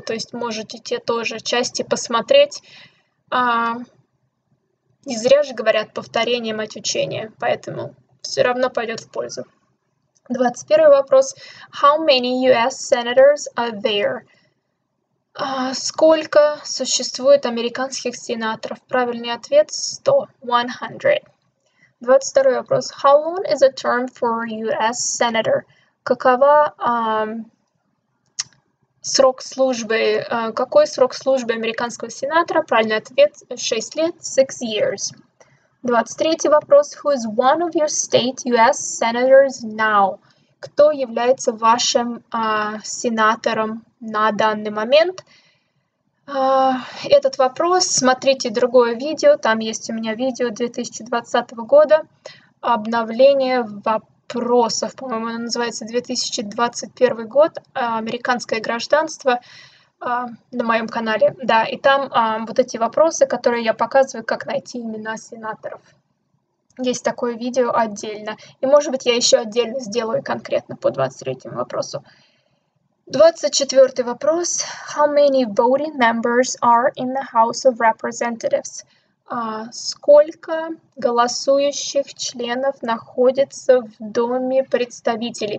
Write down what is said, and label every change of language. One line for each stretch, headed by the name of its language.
Russian: То есть можете те тоже части посмотреть. Не зря же говорят повторение мать учения, поэтому все равно пойдет в пользу. 21-й вопрос.
English: How many US senators are there?
Russian: Сколько существует американских сенаторов? Правильный ответ 100. 100. 22-й вопрос.
English: How long is a term for US senator?
Russian: Какова срок службы? Какой срок службы американского сенатора? Правильный ответ 6 лет.
English: 6 years.
Russian: 23-й вопрос.
English: Who is one of your state US senators now?
Russian: Кто является вашим сенатором на данный момент? Этот вопрос смотрите другое видео. Там есть у меня видео 2020 года. Обновление вопросов. По-моему, оно называется 2021 год. Американское гражданство на моем канале. Да, и там вот эти вопросы, которые я показываю, как найти имена сенаторов. Есть такое видео отдельно. И, может быть, я еще отдельно сделаю конкретно по 23-му вопросу. 24-й вопрос.
English: How many voting members are in the House of Representatives?
Russian: Сколько голосующих членов находится в Доме представителей?